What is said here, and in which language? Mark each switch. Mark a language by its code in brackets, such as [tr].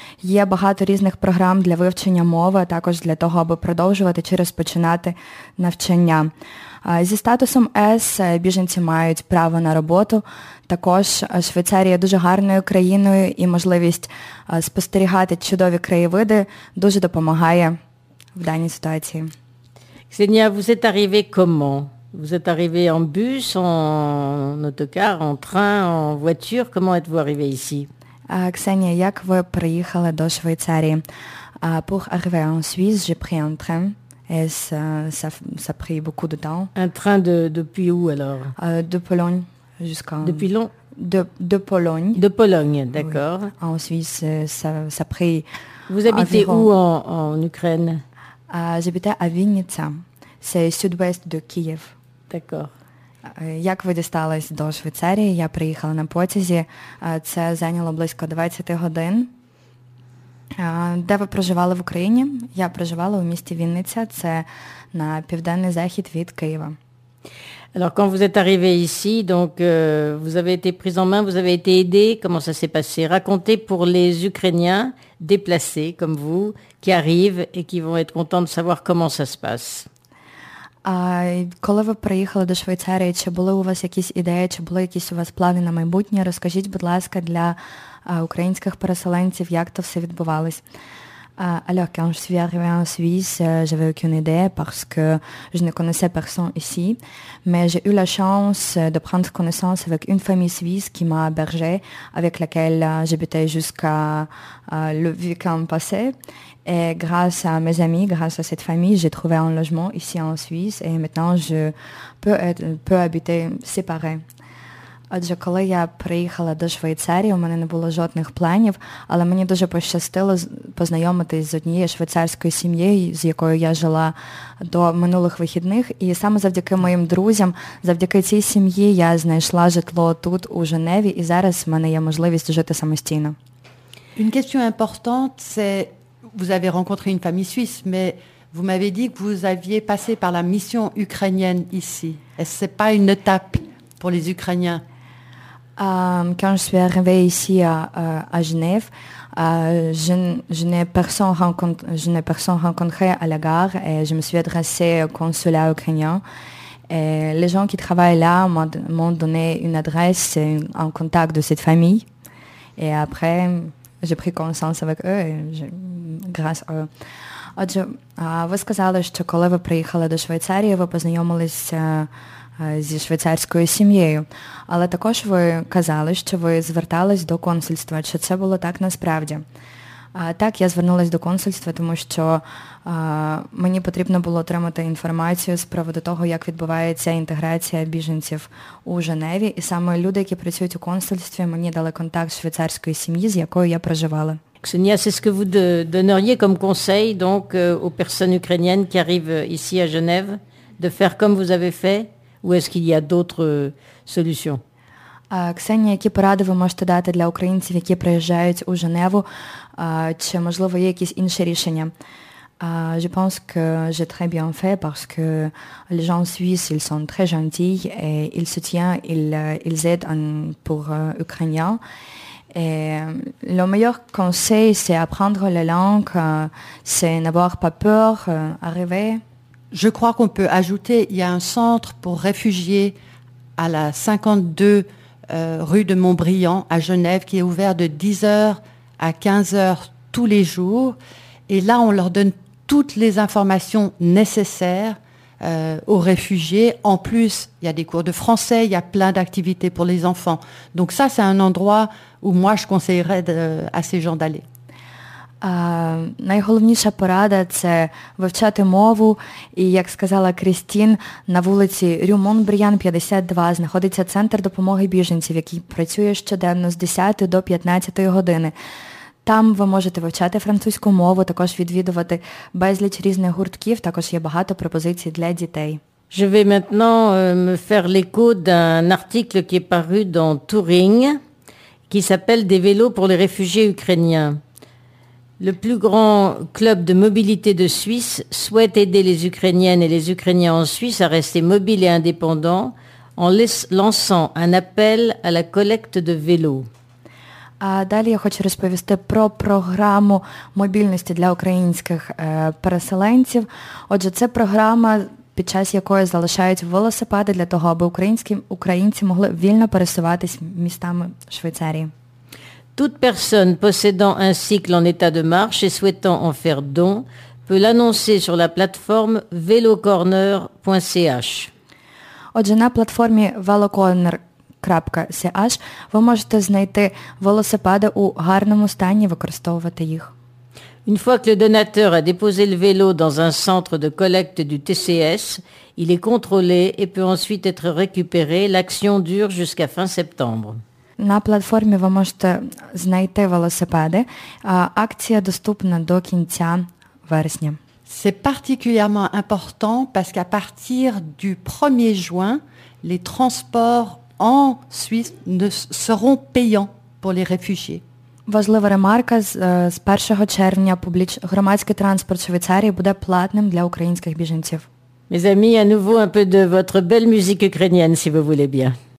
[uk] Є багато різних програм для вивчення мови, також для того, аби продовжувати чи розпочинати навчання. Зі статусом С біженці мають право на роботу. Також Швейцарія дуже гарною країною і можливість спостерігати чудові краєвиди дуже допомагає в даній ситуації. [fr] Ксенія, vous êtes arrivée comment? Vous êtes arrivée en bus, en autocar, en train, en voiture? Comment êtes-vous arrivée ici? [uk] Ксенія, як ви приїхали до Швейцарії? [fr] Pour arriver en Suisse, j'ai pris un train. Et ça a pris beaucoup de temps. Un train depuis où alors? De Pologne jusqu'à... Depuis long? De Pologne. De Pologne, d'accord. Oui. En Suisse, ça a pris... Vous habitez environ... où en Ukraine? J'habitais à Vinnytsia. C'est sud-ouest de Kiev. D'accord. [uk] Як ви дісталися до Швейцарії? Я приїхала на потязі. Це зайняло близько 20 годин. Де ви проживали в Україні? Я проживала у місті Вінниця, це на південний захід від Києва. [fr] Alors quand vous êtes arrivée ici, donc vous avez été prise en main, vous avez été aidée, comment ça s'est passé? Racontez pour les Ukrainiens déplacés comme vous qui arrivent et qui vont être contents de savoir comment ça se passe. [uk] Коли ви приїхали до Швейцарії, чи були у вас якісь ідеї, чи були якісь у вас плани на майбутнє? Розкажіть, будь ласка, для українських переселенців, як то все відбувалося? [fr] Alors, quand je suis arrivée en Suisse, j'avais aucune idée parce que je ne connaissais personne ici, mais j'ai eu la chance de prendre connaissance avec une famille suisse qui m'a hébergée, avec laquelle j'habitais jusqu'à le week-end passé. Et grâce à mes amis, grâce à cette famille, j'ai trouvé un logement ici en Suisse et maintenant je peux habiter séparé. [uk] Отже, коли я приїхала до Швейцарії, у мене не було жодних планів, але мені дуже пощастило познайомитись з однією швейцарською сім'єю, з якою я жила до минулих вихідних. І саме завдяки моїм друзям, завдяки цій сім'ї я знайшла житло тут, у Женеві, і зараз в мене є можливість жити самостійно. [fr] Une question importante, c'est vous avez rencontré une famille suisse, mais vous m'avez dit que vous aviez passé par la mission ukrainienne ici. Est-ce c'est pas une étape pour les Ukrainiens? Quand je suis arrivée ici à Genève, je n'ai personne rencontré à la gare et je me suis adressée au consulat ukrainien. Et les gens qui travaillent là m'ont donné une adresse, un contact de cette famille. Et après, j'ai pris connaissance avec eux et grâce à eux. [uk] Отже, ви сказали, що коли ви приїхали до Швейцарії, ви познайомились зі швейцарською сім'єю. Але також ви казали, що ви звертались до консульства. Чи це було так насправді? Так, я звернулася до консульства, тому що мені потрібно було отримати інформацію з приводу того, як відбувається інтеграція біженців у Женеві. І саме люди, які працюють у консульстві, мені дали контакт швейцарської сім'ї, з якою я проживала. [fr] Ксенія, c'est ce que vous donneriez comme conseil donc aux personnes ukrainiennes qui arrivent ici à Genève de faire comme vous avez fait ou est-ce qu'il y a d'autres solutions? [uk] Ксенія, які поради ви можете дати для українців, які приїжджають у Женеву, чи можливо є якісь інші рішення? [fr] Je pense que j'ai très bien fait parce que les gens suisses, ils sont très gentils et ils soutiennent, ils aident pour ukrainiens. Et le meilleur conseil, c'est apprendre la langue, c'est n'avoir pas peur, arriver. Je crois qu'on peut ajouter, il y a un centre pour réfugiés à la 52 rue de Montbrillant à Genève qui est ouvert de 10h à 15h tous les jours. Et là, on leur donne toutes les informations nécessaires aux réfugiés. En plus, il y a des cours de français, il y a plein d'activités pour les enfants. Donc ça, c'est un endroit où moi, je conseillerais à ces gens d'aller. [uk] Найголовніша порада – це вивчати мову. І, як сказала Крістін, на вулиці Рю Монбріян, 52, знаходиться центр допомоги біженців, який працює щоденно з 10 до 15 години. Там ви можете вивчати французьку мову, також відвідувати безліч різних гуртків, також є багато пропозицій для дітей. [fr] Je vais maintenant me faire l'écho d'un article qui est paru dans Touring, qui s'appelle « Des vélos pour les réfugiés ukrainiens ». Le plus grand club de mobilité de Suisse souhaite aider les Ukrainiennes et les Ukrainiens en Suisse à rester mobiles et indépendants en lançant un appel à la collecte de vélos. [uk] Далі я хочу розповісти про програму мобільності для українських переселенців. Отже, це програма, під час якої залишають велосипеди для того, аби українці могли вільно пересуватись містами Швейцарії. [fr] Toute personne possédant un cycle en état de marche et souhaitant en faire don peut l'annoncer sur la plateforme velocorner.ch. [uk] Отже, на платформі velocorner.ch ви можете знайти велосипеди у гарному стані, використовувати їх. [fr] Une fois que le donateur a déposé le vélo dans un centre de collecte du TCS, il est contrôlé et peut ensuite être récupéré. L'action dure jusqu'à fin septembre. [uk] На платформі ви можете знайти велосипеди. Акція доступна до кінця вересня. [fr] C'est particulièrement important parce qu'à partir du 1er juin, les transports en Suisse ne seront payants pour les réfugiés. [uk] Важлива ремарка, з 1 червня громадський транспорт Швейцарії буде платним для українських біженців. [fr] Mes amis, à nouveau un peu de votre belle musique ukrainienne si vous voulez bien.